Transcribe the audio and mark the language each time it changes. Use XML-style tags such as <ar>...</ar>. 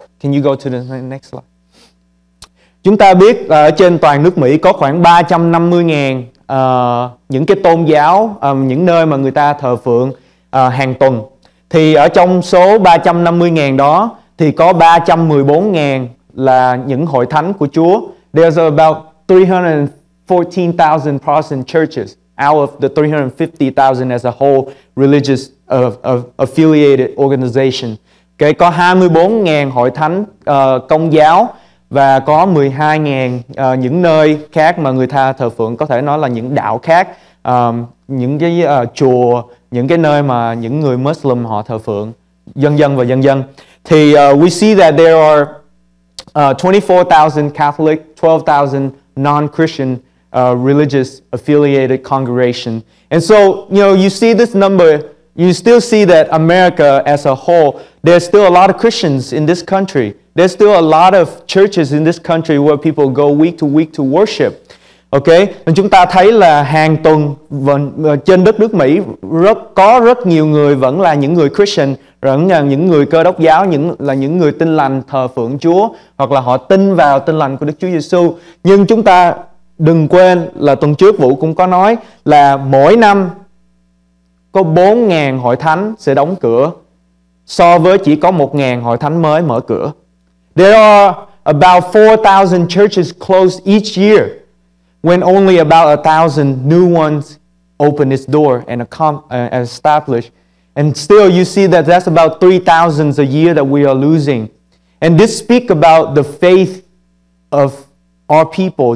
<en>Can you go to the next slide?</en> <vi>Chúng ta biết ở trên toàn nước Mỹ có khoảng 350.000 những cái tôn giáo, những nơi mà người ta thờ phượng hàng tuần. Thì ở trong số 350.000 đó thì có 314.000 là những hội thánh của Chúa.</vi> <en>There's about 314,000 Protestant churches out of the 350,000 as a whole religious affiliated organization.</en> <vi>Okay, có 24.000 hội thánh công giáo và có 12.000 những nơi khác mà người ta thờ phượng, có thể nói là những đạo khác, những cái chùa, những cái nơi mà những người Muslim họ thờ phượng, dân dân và dân dân.</vi> <en>Thì we see that there are 24,000 Catholic, 12,000 non-Christian religious affiliated congregation. And so, you know, you see this number, you still see that America as a whole, there's still a lot of Christians in this country. There's still a lot of churches in this country where people go week to worship. Okay?</en> <vi>Và chúng ta thấy là hàng tuần trên đất nước Mỹ rất nhiều người vẫn là những người Christian, vẫn là những người Cơ Đốc giáo, những người tin lành thờ phượng Chúa hoặc là họ tin vào tin lành của Đức Chúa Giêsu. Nhưng chúng ta đừng quên là tuần trước Vũ cũng có nói là mỗi năm có 4.000 hội thánh sẽ đóng cửa so với chỉ có 1.000 hội thánh mới mở cửa. There are about 4,000 churches closed each year when only about 1,000 new ones open its door and establish. And still you see that that's about 3,000 a year that we are losing. And this speak about the faith of our people.</vi>